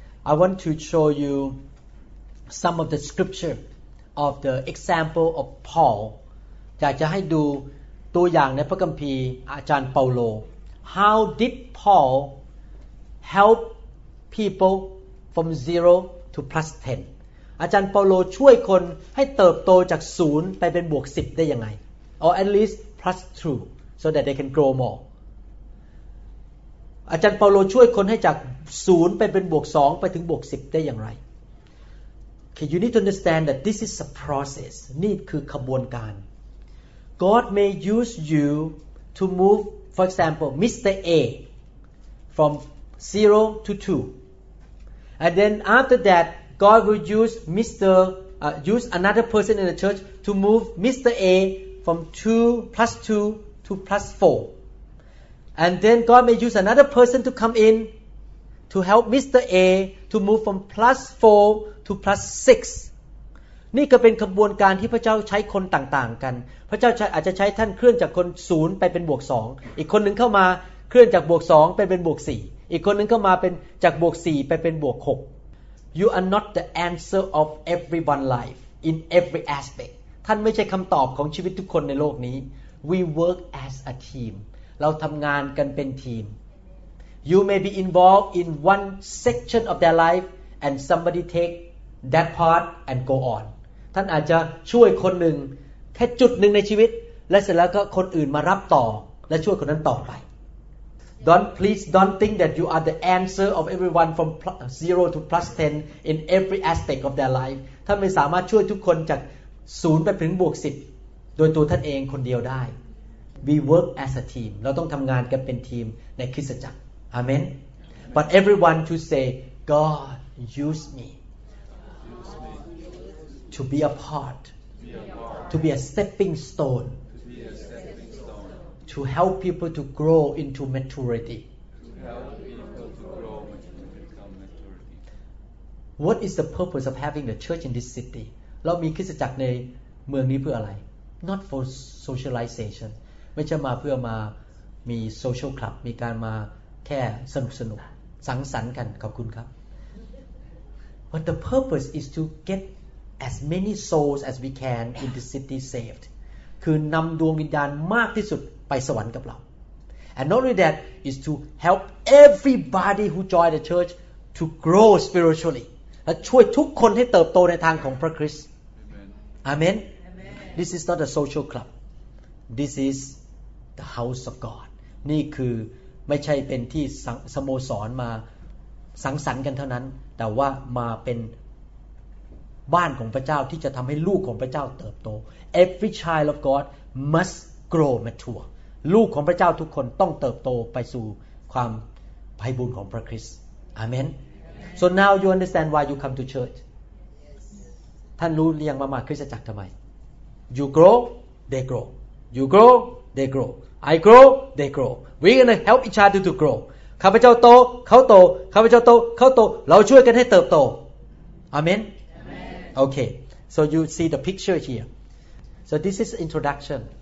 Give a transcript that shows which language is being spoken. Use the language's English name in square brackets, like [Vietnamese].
[English] I want to show you some of the scripture of the example of Paul. [Thai] อยากจะให้ดูตัวอย่างในพระคัมภีร์อาจารย์เปาโล [English] How did PaulHelp people from zero to plus 10. [Thai] อาจารย์เปาโลช่วยคนให้เติบโตจากศูนย์ไปเป็นบวก10ได้ยังไง [English] Or at least plus 2 so that they can grow more. [Thai] อาจารย์เปาโลช่วยคนให้จากศูนย์ไปเป็นบวก2ไปถึงบวก10ได้อย่างไร [English] Okay, you need to understand that this is a process. [Thai] นี่คือขบวนการ [English] God may use you to move, for example, Mr. A from 0 to 2 and then after that God will use another person in the church to move Mr. A from 2 plus 2 to plus 4 and then God may use another person to come in to help Mr. A to move from plus 4 to plus 6 [Thai] นี่ก็เป็นกระบวนการที่พระเจ้าใช้คนต่างๆกันพระเจ้าอาจจะใช้ท่านเคลื่อนจากคน0ไปเป็นบวก2อีกคนนึงเข้ามาเคลื่อนจากบวก2ไปเป็นบวก4อีกคนนึงก็มาเป็นจากบวก4ไปเป็นบวก6 [English] You are not the answer of everyone's life in every aspect [Thai] ท่านไม่ใช่คำตอบของชีวิตทุกคนในโลกนี้ [English] We work as a team [Thai] เราทำงานกันเป็นทีม [English] You may be involved in one section of their life and somebody take that part and go on [Thai] ท่านอาจจะช่วยคนหนึ่งแค่จุดหนึ่งในชีวิตและเสร็จแล้วก็คนอื่นมารับต่อและช่วยคนนั้นต่อไป [English] Don't think that you are the answer of everyone from 0 to plus 10 in every aspect of their life. [Thai] ท่านไม่สามารถช่วยทุกคนจาก0ไปถึงบวก10โดยตัวท่านเองคนเดียวได้ [English] We work as a team. [Thai] เราต้องทำงานกันเป็นทีมในคริสตจักร Amen. [English] But everyone to say, God, use me to be a part, to be a stepping stone. To help people to grow into maturity. What is the purpose of having the church in this city? [Thai] เรามีคริสตจักรในเมืองนี้เพื่ออะไร [English] Not for socialization. [Thai] ไม่ใช่มาเพื่อมามี social club มีการมาแค่สนุกสังสรรค์กันขอบคุณครับ [English] But the purpose is to get as many souls as we can in the city saved. [Thai] คือนำดวงวิญญาณมากที่สุดไปสวรรค์กับเรา [English] and not only that is to help everybody who join the church to grow spiritually [Thai] และช่วยทุกคนให้เติบโตในทางของพระคริสต์ [English] amen this is not a social club this is the house of God [Thai] นี่คือไม่ใช่เป็นที่สโมสรมาสังสรรค์กันเท่านั้นแต่ว่ามาเป็นบ้านของพระเจ้าที่จะทำให้ลูกของพระเจ้าเติบโต [English] every child of God mustgrow mature [Thai] ลูกของพระเจ้าทุกคนต้องเติบโตไปสู่ความไพบูลย์ของพระคริสต์อาเมน [English] So now you understand why you come to church [Thai] ท่านรู้เรียงมามาคริสตจักรทำไม [English] You grow they grow You grow they grow I grow they grow We gonna help each other to grow [Thai] ข้าพเจ้าโตเขาโตข้าพเจ้าโตเขาโตเราช่วยกันให้เติบโตอาเมน [English] Okay So you see the picture here So this is introduction